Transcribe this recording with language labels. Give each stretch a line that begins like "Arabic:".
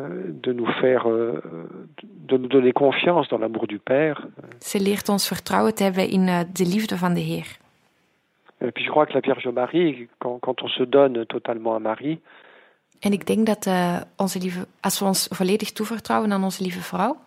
French: De nous faire, de nous donner confiance dans l'amour du Père.
Dutch: Ze leert ons vertrouwen te hebben in de liefde van de Heer.
French: Et puis je crois que la Vierge Marie, quand on se donne totalement à Marie.
Dutch: En ik denk dat onze lieve, als we ons volledig toevertrouwen aan onze lieve vrouw.